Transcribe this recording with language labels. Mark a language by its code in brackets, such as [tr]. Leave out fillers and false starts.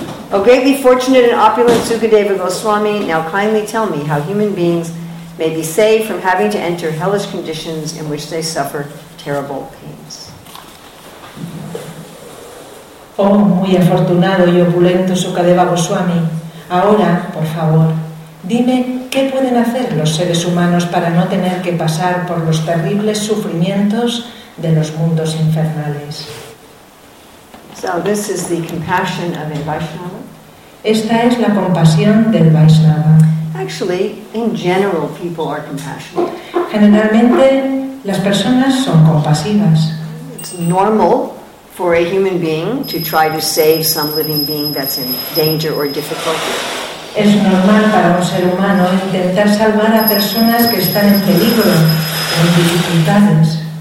[en] O greatly fortunate and opulent Sukadeva Goswami, now kindly tell me how human beings may be saved from having to enter hellish conditions in which they suffer terrible pains. [es] Oh, muy afortunado y opulento Sukadeva Goswami, ahora, por favor, dime qué pueden hacer los seres humanos para no tener que pasar por los terribles sufrimientos de los mundos infernales. [en] So this is the compassion of a Vaishnava. [es] Esta es la compasión del Vaishnava. [en] Actually, in general, people are compassionate. [es] Generalmente, las personas son compasivas. [en] It's normal for a human being to try to save some living being that's in danger or difficulty. [es] Es normal para un ser humano intentar salvar a personas que están en peligro o en dificultades.